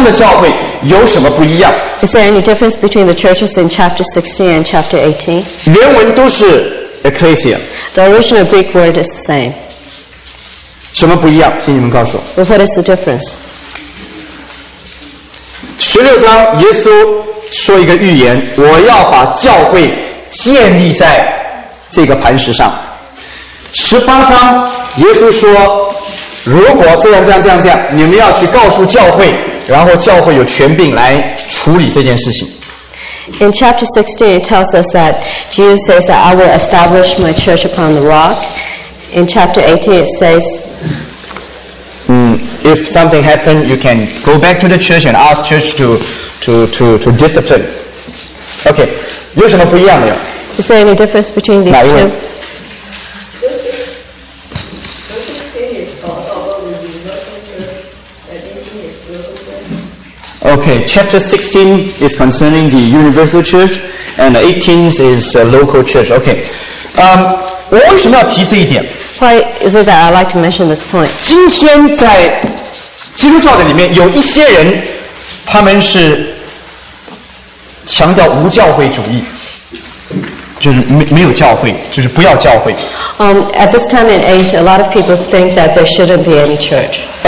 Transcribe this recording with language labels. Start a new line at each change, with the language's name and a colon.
Chinese: 这是个很重要的，今天你们看了以后，看哪一个可以告诉我，16章的教会和18章的教会有什么不一样？Is
English: there any difference between the churches in chapter 16 and chapter 18?
Chinese: 原文都是 ecclesia。
English: The original Greek word is the same.
Chinese: 什么不一样？请你们告诉我。
English: What is the difference?
Chinese: 16章，耶稣说一个预言：“我要把教会建立在这个磐石上。”18章，耶稣说：“如果这样，你们要去告诉教会，然后教会有权柄来处理这件事情。”
English: In chapter 16, it tells us that Jesus says that I will establish my church upon the rock. In chapter 18, it says, If something happened, you can go back to the church and ask church to discipline.
Chinese: Okay, 有什么不一样没有?
English: Is there any difference between these
Chinese: 哪一位?
English: Two? Okay, chapter 16 is concerning the universal church, and 18 is a local church.
Chinese: Okay, 我为什么要提这一点？
English: Why is it that I like to mention this point?
Chinese: 今天在基督教的里面，有一些人，他们是强调无教会主义，就是没有教会，就是不要教会。
English: At this time and age, a lot of people think that there shouldn't be any church.